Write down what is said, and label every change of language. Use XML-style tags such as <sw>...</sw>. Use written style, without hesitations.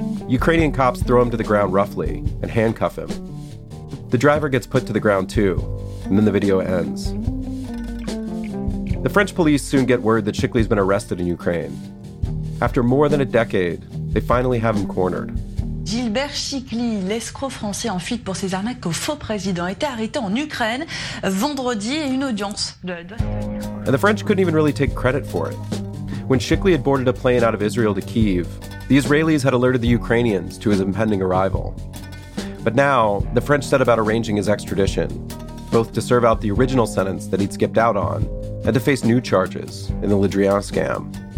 <en>Ukrainian cops throw him to the ground roughly and handcuff him. The driver gets put to the ground too, and then the video ends. The French police soon get word that Shickley's been arrested in Ukraine. After more than a decade, they finally have him cornered.</en> <fr>Gilbert Shickley, l'escroc français en fuite pour ses arnaques au faux président, était arrêté en Ukraine vendredi et une audience.</fr> <en>And the French couldn't even really take credit for it. When Shickley had boarded a plane out of Israel to Kyiv, the Israelis had alerted the Ukrainians to his impending arrival. But now, the French set about arranging his extradition, both to serve out the original sentence that he'd skipped out on and to face new charges in the Le Drian scam.</en>